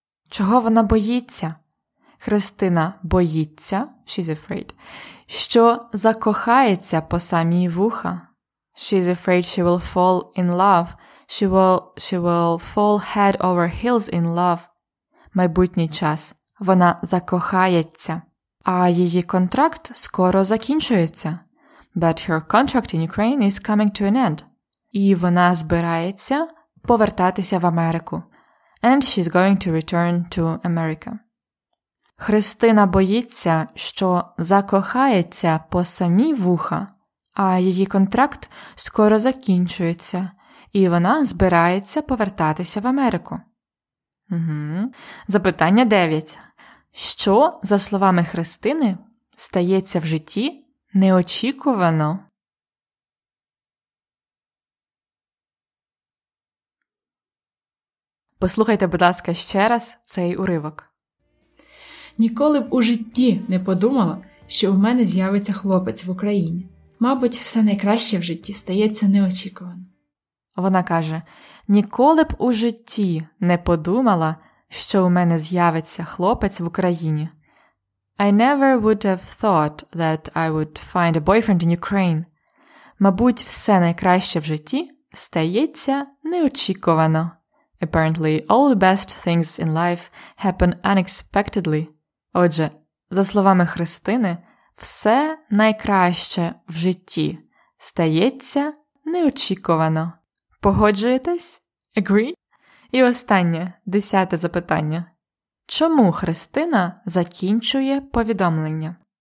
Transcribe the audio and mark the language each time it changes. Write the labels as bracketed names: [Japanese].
[Ukrainian] Чого вона боїться? Христина боїться, [English] she's afraid, [Ukrainian] що закохається по самі вуха. [English] She's afraid she will fall in love. She will fall head over heels in love. [Ukrainian] Майбутній час. Вона закохається. А її контракт скоро закінчується. [English] But her contract in Ukraine is coming to an end. [Ukrainian] І вона збирається повертатися в Америку. [English] And she's going to return to America. [Ukrainian] Христина боїться, що закохається по самі вуха, а її контракт скоро закінчується, і вона збирається повертатися в Америку. Угу. Запитання 9. Що, за словами Христини, стається в житті неочікувано? Послухайте, будь ласка, ще раз цей уривок. Ніколи б у житті не подумала, що у мене з'явиться хлопець в Україні. Мабуть, все найкраще в житті стається неочікувано. Вона каже: ніколи б у житті не подумала, що у мене з'явиться хлопець в Україні. [English] I never would have thought that I would find a boyfriend in Ukraine. [Ukrainian] Мабуть, все найкраще в житті стається неочікувано. [English] Apparently, all the best things in life happen unexpectedly. [Ukrainian] Отже, за словами Христини, все найкраще в житті стається неочікувано. Погоджуєтесь? [English] Agree? [Ukrainian] І останнє, 10-те запитання. Чому Христина закінчує повідомлення?